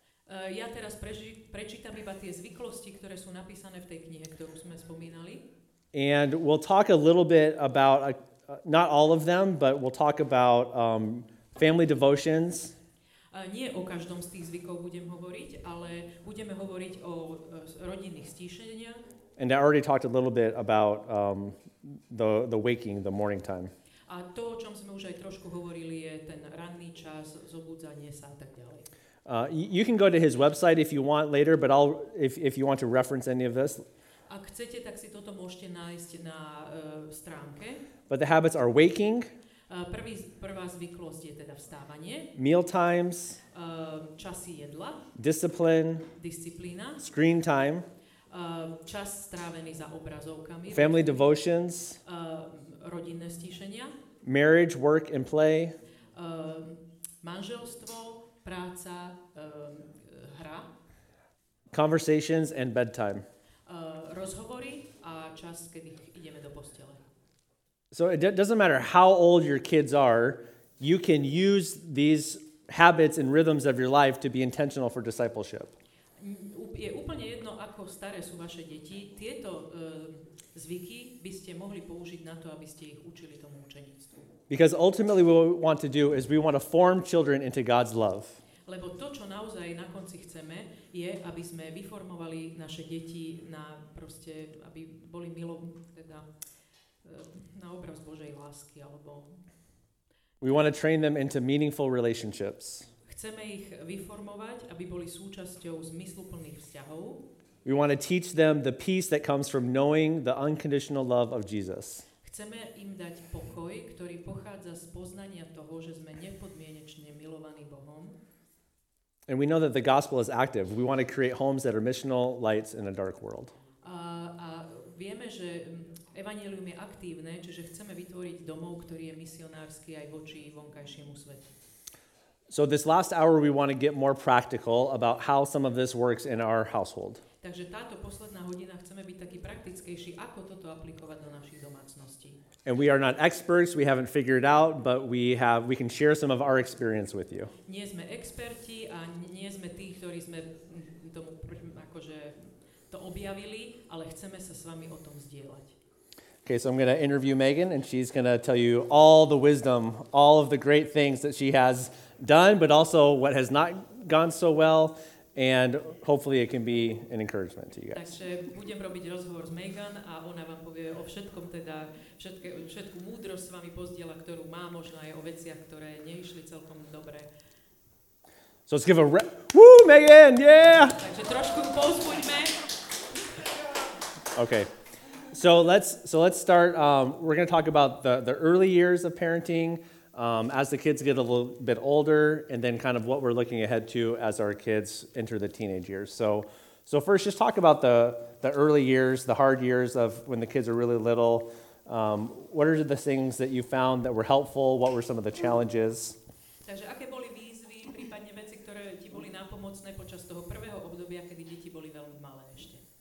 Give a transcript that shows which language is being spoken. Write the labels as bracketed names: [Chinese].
[Slovak] Ja teraz prečítam iba tie zvyklosti, ktoré sú napísané v tej knihe, ktorú sme spomínali. [English] And we'll talk a little bit about, not all of them, but we'll talk about family devotions. [Slovak] Nie o každom z tých zvykov budem hovoriť, ale budeme hovoriť o rodinných stíšeniach. [English] And I already talked a little bit about the waking, the morning time. [Slovak] A to, o čom sme už aj trošku hovorili, je ten ranný čas, zobudzanie sa a tak ďalej. [English] You can go to his website if you want later, but I'll if you want to reference any of this. [Slovak] Ak chcete, tak si toto môžete nájsť na stránke. [English] But the habits are waking. [Slovak] Prvá zvyklosť je teda vstávanie. [English] Meal times. [Slovak] Časy jedla. [English] Discipline. [Slovak] Disciplína. [English] Screen time. [Slovak] Čas strávený za obrazovkami. [English] Family devotions. [Slovak] Rodinné stíšenia. [English] Marriage, work and play. [Slovak] Manželstvo, práca, hra. [English] Conversations and bedtime. [Slovak] Rozhovory a čas, kedy ideme do postele. [English] So it doesn't matter how old your kids are, you can use these habits and rhythms of your life to be intentional for discipleship. [Slovak] Je úplne jedno, ako staré sú vaše deti. Tieto zvyky by ste mohli použiť na to, aby ste ich učili tomu učeníctvu. [English] Because ultimately what we want to do is we want to form children into God's love. [Slovak] Lebo to, čo naozaj na konci chceme, je, aby sme vyformovali naše deti na proste, aby boli na obraz Božej lásky alebo. [English] We want to train them into meaningful relationships. [Slovak] Chceme ich vyformovať, aby boli súčasťou zmysluplných vzťahov. [English] We want to teach them the peace that comes from knowing the unconditional love of Jesus. [Slovak] Chceme im dať pokoj, ktorý pochádza z poznania toho, že sme nepodmienečne milovaní Bohom. [English] And we know that the gospel is active. We want to create homes that are missional lights in a dark world. [Slovak] A vieme, že evanjelium je aktívne, čiže chceme vytvoriť domov, ktorý je misionársky aj voči vonkajšiemu svetu. [English] So this last hour we want to get more practical about how some of this works in our household. [Slovak] Takže táto posledná hodina chceme byť taký praktickejší, ako toto aplikovať do našich domácností. [English] And we are not experts, we haven't figured out, but we can share some of our experience with you. [Slovak] Nie sme experti a nie sme tí, ktorí sme tomu akože to objavili, ale chceme sa s vami o tom zdieľať. [English] Okay, so I'm going to interview Megan and she's going to tell you all the wisdom, all of the great things that she has done, but also what has not gone so well, and hopefully it can be an encouragement to you guys. [Slovak] Takže budem robiť rozhovor s Megan a ona vám povie o všetkom, teda všetku múdrosť s vami pozdiela, ktorú má, možno aj o veciach, ktoré neišli celkom dobre. [English] So let's give a woo, Megan, yeah! [Slovak] Takže trošku pozbuďme. [English] Okay. So let's start. We're going to talk about the early years of parenting as the kids get a little bit older, and then kind of what we're looking ahead to as our kids enter the teenage years. So first, just talk about the early years, the hard years of when the kids are really little. What are the things that you found that were helpful? What were some of the challenges? [Slovak] Takže aké boli výzvy, prípadne veci, ktoré ti boli nápomocné počas toho prvého obdobia, kedy deti boli veľmi malé ešte?